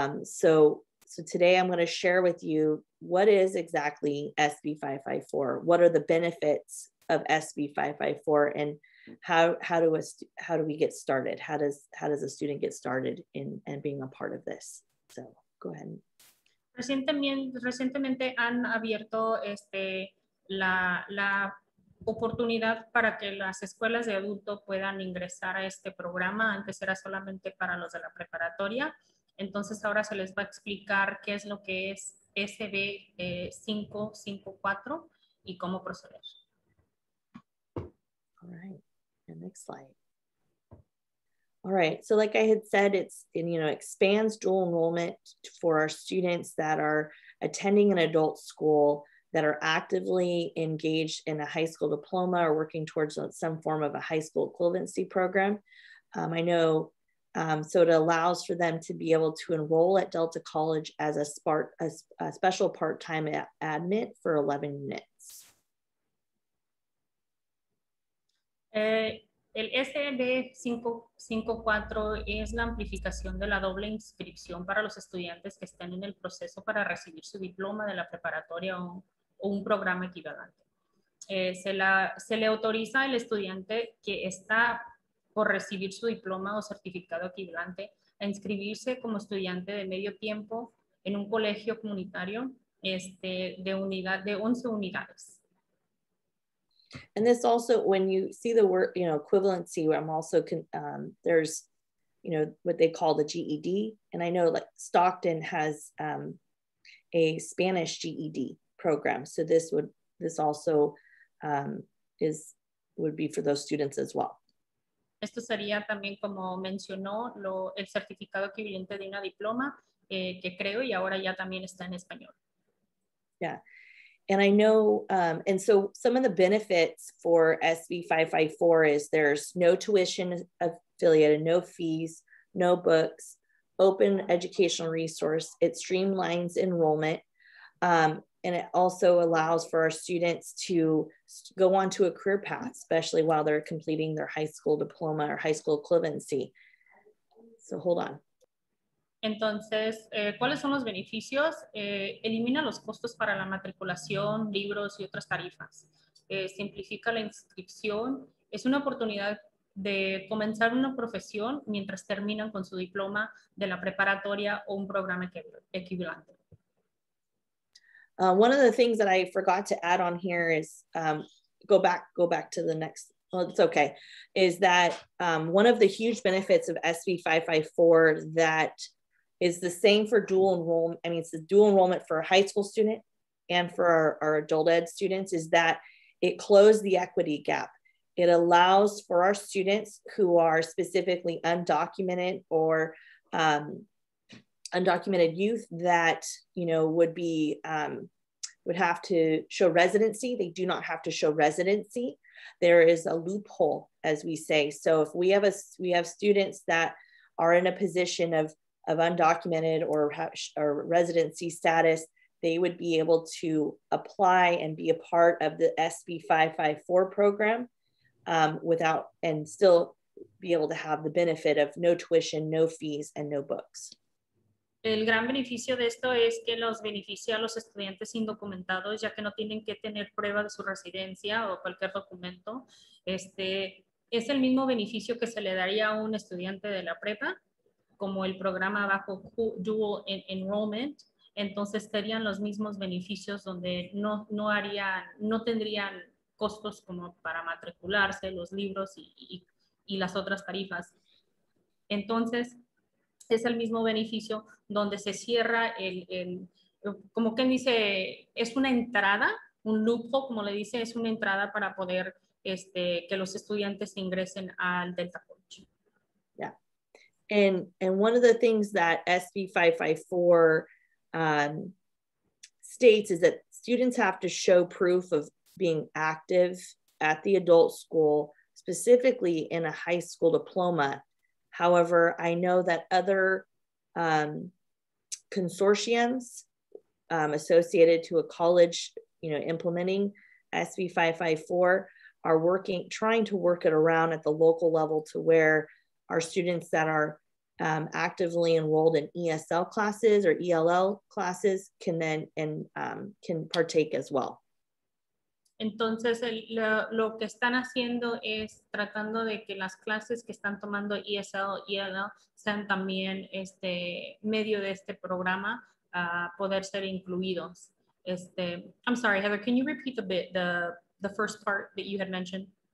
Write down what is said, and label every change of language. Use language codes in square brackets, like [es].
[en] So today I'm going to share with you what is exactly SB 554, what are the benefits of SB 554, and how do we get started? How does a student get started in and being a part of this? So go ahead. [es] Recientemente han abierto la oportunidad para que las escuelas de adulto puedan ingresar a este programa. Antes era solamente para los de la preparatoria. Entonces ahora se les va a explicar qué es lo que es SB554 y cómo proceder. [en] All right, the next slide. All right, so like I had said, it's, you know, expands dual enrollment for our students that are attending an adult school that are actively engaged in a high school diploma or working towards some form of a high school equivalency program. I know. So it allows for them to be able to enroll at Delta College as a special part-time admit for 11 units. [es] El SB554 es la amplificación de la doble inscripción para los estudiantes que estén en el proceso para recibir su diploma de la preparatoria o un programa equivalente. Se le autoriza al estudiante que está por recibir su diploma o certificado equivalente, a inscribirse como estudiante de medio tiempo en un colegio comunitario de 11 unidades. [en] And this also, when you see the word, you know, equivalency, I'm also, there's, you know, what they call the GED. And I know like Stockton has a Spanish GED program. So this would be for those students as well. [es] Esto sería también como mencionó el certificado equivalente de una diploma que creo y ahora ya también está en español. [en] Yeah, and I know, and so some of the benefits for SB 554 is there's no tuition affiliated, no fees, no books, open educational resource, it streamlines enrollment, and it also allows for our students to go on to a career path, especially while they're completing their high school diploma or high school equivalency. So hold on. [es] Entonces, ¿cuáles son los beneficios? Elimina los costos para la matriculación, libros y otras tarifas. Simplifica la inscripción. Es una oportunidad de comenzar una profesión mientras terminan con su diploma de la preparatoria o un programa equivalente. [en] One of the things that I forgot to add on here is go back to the next. Well, it's okay. Is that one of the huge benefits of SB 554 that is the same for dual enrollment. I mean, it's the dual enrollment for a high school student and for our adult ed students, is that it closed the equity gap. It allows for our students who are specifically undocumented or undocumented youth that, you know, would be, would have to show residency. They do not have to show residency. There is a loophole, as we say. So if we have a, we have students that are in a position of undocumented or residency status, they would be able to apply and be a part of the SB 554 program without, and still be able to have the benefit of no tuition, no fees, and no books. [es] El gran beneficio de esto es que los beneficia a los estudiantes indocumentados, ya que no tienen que tener prueba de su residencia o cualquier documento. Este es el mismo beneficio que se le daría a un estudiante de la prepa, como el programa bajo dual enrollment. Entonces serían los mismos beneficios, donde no tendrían costos como para matricularse, los libros y las otras tarifas. Entonces es el mismo beneficio, donde se cierra el como quien dice, es una entrada, un loophole, como le dice, es una entrada para poder este, que los estudiantes ingresen al Delta College. [en] Yeah. And one of the things that SB 554 states is that students have to show proof of being active at the adult school, specifically in a high school diploma. However, I know that other consortiums associated to a college, you know, implementing SB 554 are working, trying to work it around at the local level, to where our students that are actively enrolled in ESL classes or ELL classes can then and can partake as well. [es] Entonces, lo que están haciendo es tratando de que las clases que están tomando ESL y ELL sean también este, medio de este programa a poder ser incluidos. Este, [en] I'm sorry, Heather, can you repeat a bit the first part that you had mentioned?